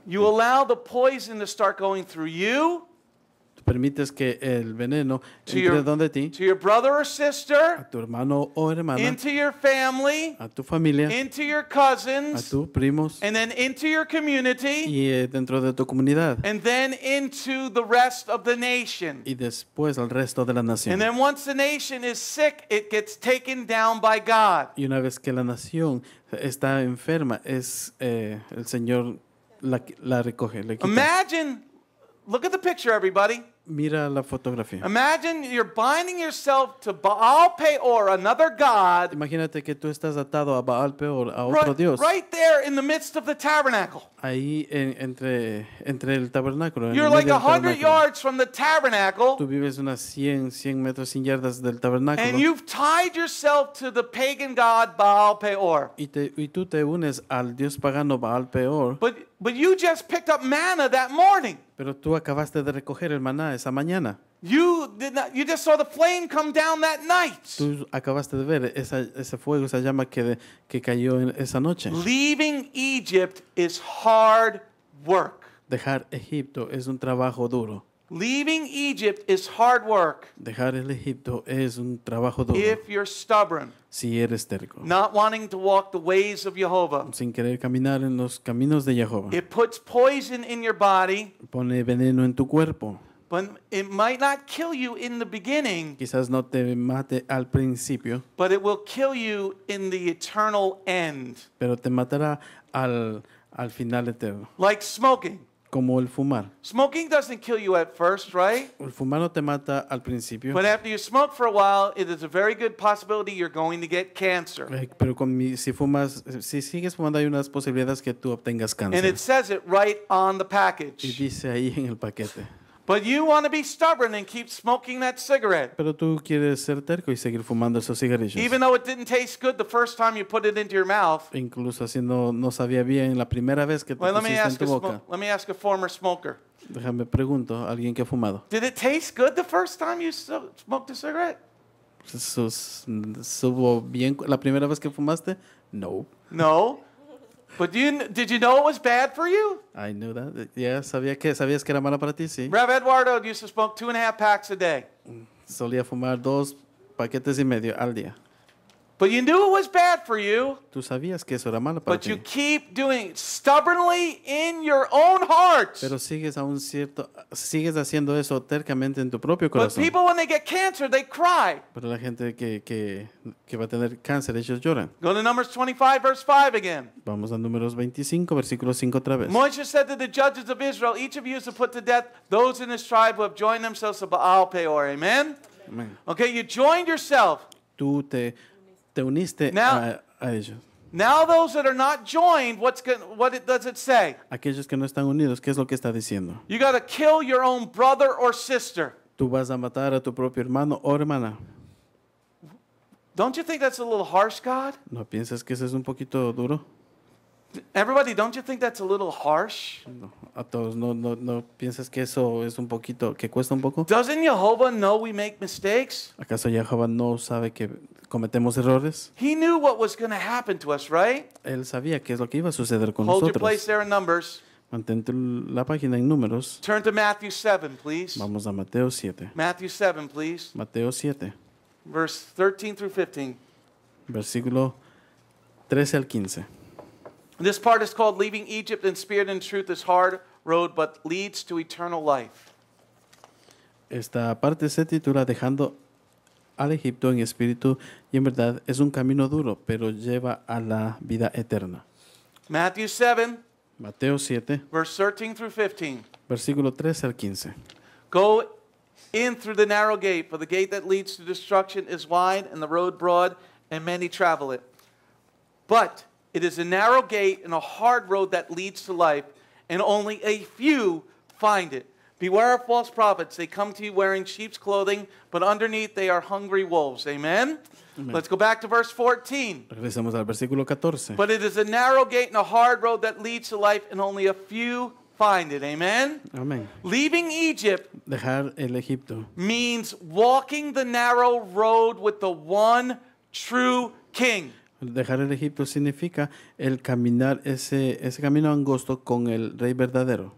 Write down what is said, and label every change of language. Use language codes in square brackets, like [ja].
[en] you allow the poison to start going through you, [es] tú permites que el veneno entre donde ti, [en] to your brother or sister, [es] a tu hermano o hermana, [en] into your family, [es] a tu familia, [en] into your cousins, [es] a tus primos, [en] and then into your community, [es] y dentro de tu comunidad, [en] and then into the rest of the nation, [es] y después al resto de la nación. [en] And then once the nation is sick, it gets taken down by God. [es] Y una vez que la nación está enferma, es el Señor la recoge, la quita. [en] Imagine, look at the picture, everybody. [es] Mira la fotografía. [en] Imagine you're binding yourself to Baal Peor, another god. [es] Imagínate que tú estás atado a Baal Peor, a otro dios. [en] Right there in the midst of the tabernacle. [es] Ahí entre el tabernáculo. [en] You're like 100 yards from the tabernacle. [es] Tú vives unas 100 metros, 100 yardas del tabernáculo. [en] And you've tied yourself to the pagan god Baal Peor. [es] Y tú te unes al dios pagano Baal Peor. [en] But you just picked up manna that morning. [es] Pero tú acabaste de recoger el maná esa mañana. [en] You did not. You just saw the flame come down that night. [es] Tú acabaste de ver ese fuego, esa llama que cayó en esa noche. [en] Leaving Egypt is hard work. [es] Dejar Egipto es un trabajo duro. [en] Leaving Egypt is hard work. [es] Dejar el Egipto es un trabajo duro. [en] If you're stubborn. [es] Si eres terco. [en] Not wanting to walk the ways of Jehovah. [es] Sin querer caminar en los caminos de Jehovah. [en] It puts poison in your body. [es] Pone veneno en tu cuerpo. [en] But it might not kill you in the beginning. [es] Quizás no te mate al principio. [en] But it will kill you in the eternal end. [es] Pero te matará al final eterno. [en] Like smoking. [es] Como el fumar. [en] Smoking doesn't kill you at first, right? [es] El fumar no te mata al principio. [en] But after you smoke for a while, it is a very good possibility you're going to get cancer. [es] Pero si sigues fumando, hay unas posibilidades que tú obtengas cáncer. [en] And it says it right on the package. [es] Y dice ahí en el paquete. [en] But you want to be stubborn and keep smoking that cigarette. [es] Pero tú quieres ser terco y seguir fumando esos cigarrillos. [en] Even though it didn't taste good the first time you put it into your mouth. [es] Incluso así no sabía bien la primera vez que te pusiste en tu boca. [en] Let me ask a former smoker. [es] Déjame pregunto a alguien que ha fumado. [en] Did it taste good the first time you smoked a cigarette? [es] ¿Supo bien la primera vez que fumaste? No. [en] No. But did you know it was bad for you? I knew that. [es] Yeah, sabías que era malo para ti, sí. [en] Rev Eduardo used to smoke 2.5 packs a day. [es] Solía fumar 2 paquetes y medio al día. [en] But you knew it was bad for you. [es] Tú sabías que eso era malo para [en] but [es] ti. [en] But you keep doing it stubbornly in your own heart. [es] Pero sigues haciendo eso tercamente en tu propio corazón. [en] But people when they get cancer, they cry. [es] Pero la gente que va a tener cáncer, ellos lloran. [en] Go to Numbers 25, verse 5 again. [es] Vamos a Números 25, versículo 5 otra vez. [en] Moshe said to the judges of Israel, each of you is to put to death those in his tribe who have joined themselves to Baal Peor. Amen? Amen. Okay, you joined yourself. [es] Te uniste a ellos. [en] Now those that are not joined, what does it say? [es] Aquellos que no están unidos, ¿qué es lo que está diciendo? [en] You got to kill your own brother or sister. [es] Tú vas a matar a tu propio hermano o hermana. [en] Don't you think that's a little harsh, God? [es] ¿No piensas que eso es un poquito duro? [en] Everybody, don't you think that's a little harsh? [es] No, a todos, no piensas que eso es un poquito, que cuesta un poco? [en] Doesn't Jehovah know we make mistakes? [es] ¿Acaso Jehovah no sabe que cometemos errores? [en] He knew what was going to happen to us, right? [es] Él sabía qué es lo que iba a suceder con [en] Hold [es] nosotros. [en] Your place there in Numbers. [es] Mantente la página en Números. [en] Turn to Matthew 7, please. [es] Vamos a Mateo 7. [en] Matthew 7, please. [es] Mateo 7. [en] Verse 13 through 15. [es] Versículo 13 al 15. [en] This part is called Leaving Egypt in Spirit and Truth. This hard road, but leads to eternal life. [es] Esta parte se titula Dejando al Egipto en Espíritu, y en verdad es un camino duro, pero lleva a la vida eterna. [en] Matthew 7, [es] Mateo 7, [en] verse 13 through 15. [es] Versículo 13 al 15. [en] Go in through the narrow gate, for the gate that leads to destruction is wide, and the road broad, and many travel it. But it is a narrow gate and a hard road that leads to life, and only a few find it. Beware of false prophets. They come to you wearing sheep's clothing, but underneath they are hungry wolves. Amen? Amen. Let's go back to verse 14. [es] Regresamos al versículo 14. [en] But it is a narrow gate and a hard road that leads to life, and only a few find it. Amen? Amen. Leaving Egypt, [es] dejar el Egipto, [en] means walking the narrow road with the one true king. [es] Dejar el Egipto significa el caminar ese camino angosto con el rey verdadero.